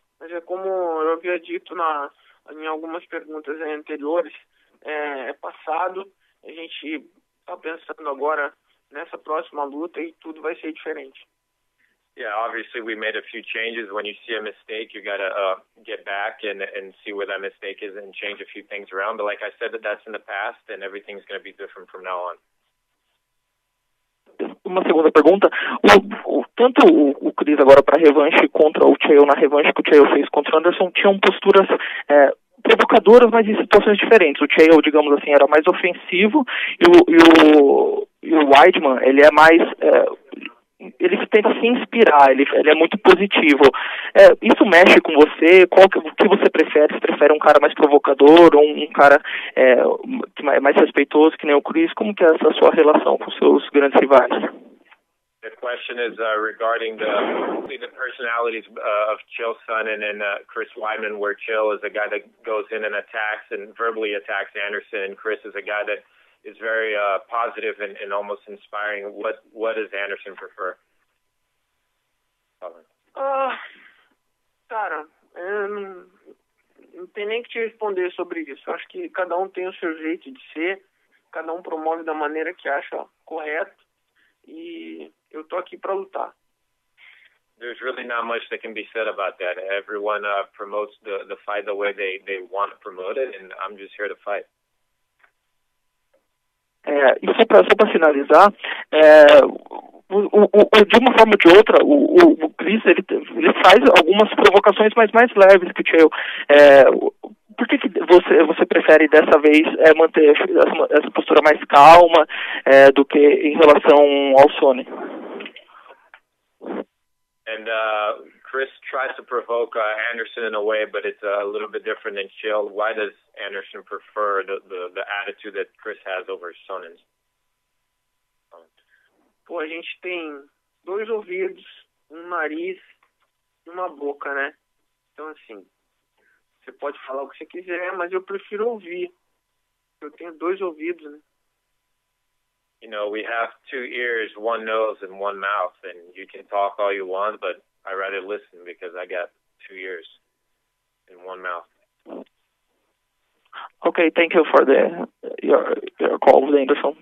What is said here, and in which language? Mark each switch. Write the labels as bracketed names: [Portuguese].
[Portuguese] Mas é como eu havia dito em algumas perguntas anteriores, é passado. A gente está pensando agora nessa próxima luta, e tudo vai ser diferente. [English] Yeah, obviously we made a few changes. When you see a mistake, you gotta get back and see where that mistake is and change a few things around. But like I said, that's in the past, and everything's gonna be different from now on. [Portuguese] Uma segunda pergunta. Tanto o Chris agora para revanche contra o Chael na revanche que o Chael fez contra o Anderson tinham posturas provocadoras, mas em situações diferentes. O Chael, digamos assim, era mais ofensivo e o Weidman, ele é mais... ele tenta se inspirar, ele é muito positivo. Isso mexe com você? O que você prefere? Você prefere um cara mais provocador ou um cara mais respeitoso, que nem o Chris? Como que é essa sua relação com seus grandes rivais? [English] The question is regarding the personalities of Chael Sonnen and Chris Weidman, where Chael is a guy that goes in and attacks and verbally attacks Anderson, and Chris is a guy that is very positive and almost inspiring. What does Anderson prefer? [Portuguese] Cara, não tem nem que te responder sobre isso. Acho que cada um tem o seu jeito de ser, cada um promove da maneira que acha correto, e eu tô aqui para lutar. [English] There's really not much that can be said about that. Everyone promotes the fight the way they want to promote it, and I'm just here to fight. [Portuguese] E só pra finalizar, de uma forma ou de outra, o Chris ele faz algumas provocações mais leves que o Chael. Por que você prefere dessa vez manter essa postura mais calma do que em relação ao Sonnen? [English] And Chris tries to provoke Anderson in a way, but it's a little bit different than Chael. Why does Anderson prefer the attitude that Chris has over Sonnen? [Portuguese] Pô, a gente tem dois ouvidos, um nariz e uma boca, né? Então, assim, você pode falar o que você quiser, mas eu prefiro ouvir. Eu tenho dois ouvidos, né? [English] You know, we have two ears, one nose, and one mouth, and you can talk all you want, but I'd rather listen because I got two ears and one mouth. Okay, thank you for your call, Anderson.